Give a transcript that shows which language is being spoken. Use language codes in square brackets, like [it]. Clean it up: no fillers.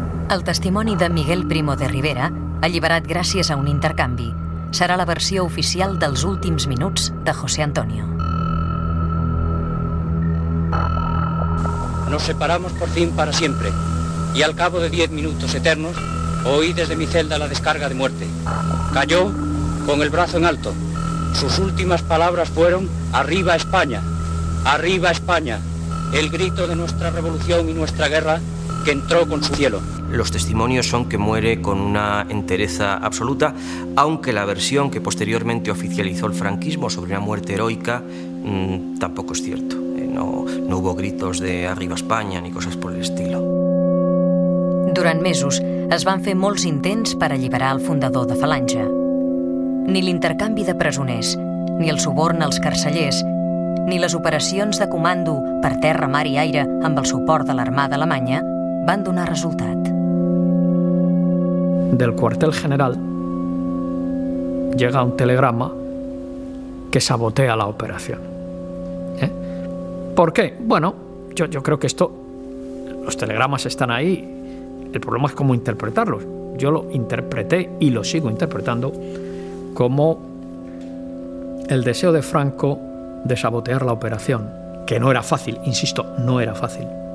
[ca] El testimoni de Miguel Primo de Rivera, alliberat gràcies a un intercanvi, serà la versió oficial dels últims minuts de José Antonio. [es] Nos separamos por fin para siempre, y al cabo de 10 minutos eternos, oí desde mi celda la descarga de muerte. Cayó con el brazo en alto. Sus últimas palabras fueron: ¡Arriba España! ¡Arriba España! El grito de nuestra revolución y nuestra guerra que entró con su cielo. Los testimonios son que muere con una entereza absoluta, aunque la versión que posteriormente oficializó el franquismo sobre una muerte heroica tampoco es cierto. No hubo gritos de arriba España ni cosas por el estilo. [ca] Durant mesos es van fer molts intents per alliberar el fundador de Falange. Ni l'intercanvi de presoners, ni el suborn als carcellers, ni les operacions de comando per terra, mar i aire amb el suport de l'armada alemanya van donar resultat. [es] Del cuartel general llega un telegrama que sabotea la operación. ¿Por qué? Bueno, yo creo que esto, los telegramas están ahí. El problema es cómo interpretarlos. Yo lo interpreté y lo sigo interpretando como el deseo de Franco de sabotear la operación, que no era fácil, insisto, no era fácil.